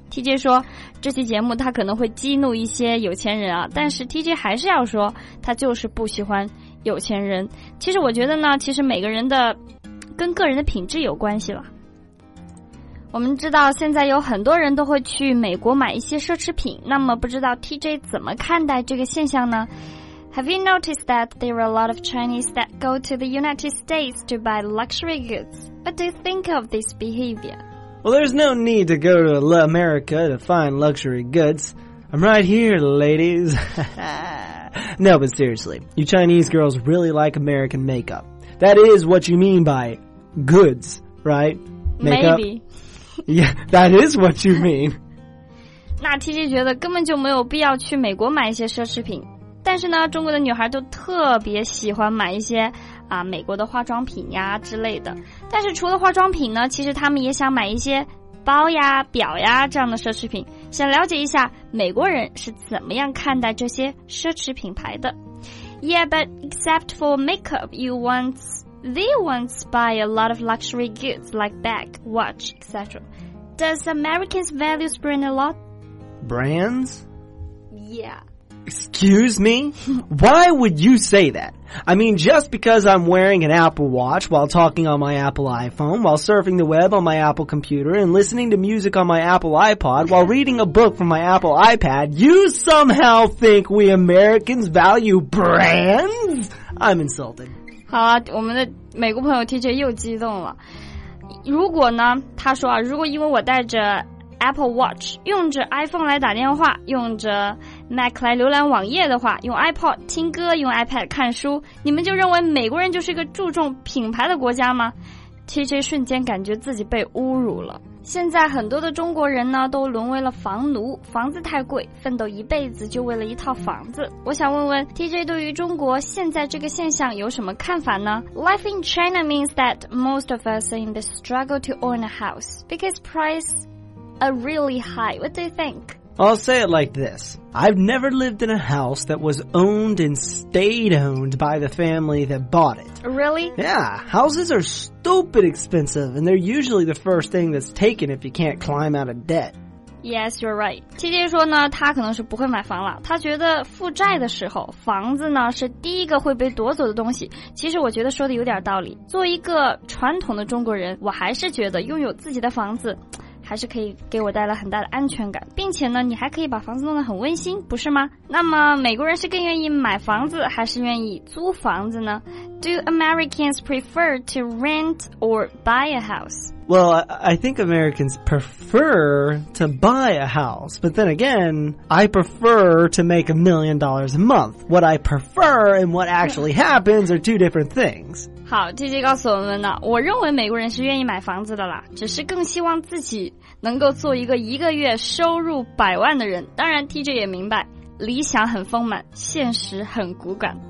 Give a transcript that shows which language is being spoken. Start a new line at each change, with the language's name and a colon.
Chinese: TJ 说这期节目他可能会激怒一些有钱人啊，但是 TJ 还是要说他就是不喜欢有钱人。其实我觉得呢，其实每个人的跟个人的品质有关系了。我们知道现在有很多人都会去美国买一些奢侈品，那么不知道 TJ 怎么看待这个现象呢？
English: Have you noticed that there are a lot of Chinese that go to the United States to buy luxury goods? What do you think of this behavior? Well, there's no need to go to America to find luxury goods. I'm right here, ladies. No, but seriously, you Chinese girls really like American makeup. That is what you mean by goods, right? Makeup? Maybe. Yeah, that is what you mean.
Chinese: 那 TJ 觉得根本就没有必要去美国买一些奢侈品。但是呢，中国的女孩都特别喜欢买一些啊美国的化妆品呀之类的。但是除了化妆品呢，其实她们也想买一些包呀、表呀这样的奢侈品，想了解一下美国人是怎么样看待这些奢侈品牌的。
English: Yeah, but except for makeup, they once buy a lot of luxury goods like bag, watch, etc. Does Americans value brand a lot? Brands? Yeah. Excuse me? Why would you say that? I mean, just because I'm wearing an Apple Watch while talking on my Apple iPhone, while surfing the web on my Apple computer, and listening to music on my Apple iPod, while reading a book from my Apple iPad, you somehow think we Americans value brands? I'm insulted.
Chinese: 好啊，我们的美国朋友 TJ 又激动了。如果呢，他说啊，如果因为我带着 Apple Watch, 用着 iPhone 来打电话，用着Mac 来浏览网页的话，用 iPod 听歌，用 iPad 看书，你们就认为美国人就是一个注重品牌的国家吗？ TJ 瞬间感觉自己被侮辱了。现在很多的中国人呢都沦为了房奴，房子太贵，奋斗一辈子就为了一套房子。我想问问 TJ 对于中国现在这个现象有什么看法呢？
English: Life in China means that most of us are in the struggle to own a house because prices are really high. What do you think? I'll say it like this. I've never lived in a house that was owned and stayed owned by the family that bought it. Really? Yeah, houses are stupid expensive, and they're usually the first thing that's taken if you can't climb out of debt. Yes, you're right.
Chinese: TJ 说呢，他可能是不会买房了。他觉得负债的时候，房子呢，是第一个会被夺走的东西。其实我觉得说的有点道理。作为一个传统的中国人，我还是觉得拥有自己的房子还是可以给我带来很大的安全感，并且呢，你还可以把房子弄得很温馨，不是吗？那么，美国人是更愿意买房子还是愿意租房子呢？
English: Do Americans prefer to rent or buy a house? Well, I think Americans prefer to buy a house, but then again, I prefer to make $1 million a month. What I prefer and what actually happens are two different things.
Chinese: 好 ,TJ 告诉我们呢，我认为美国人是愿意买房子的啦，只是更希望自己能够做一个一个月收入百万的人。当然 ,TJ 也明白，理想很丰满，现实很骨感。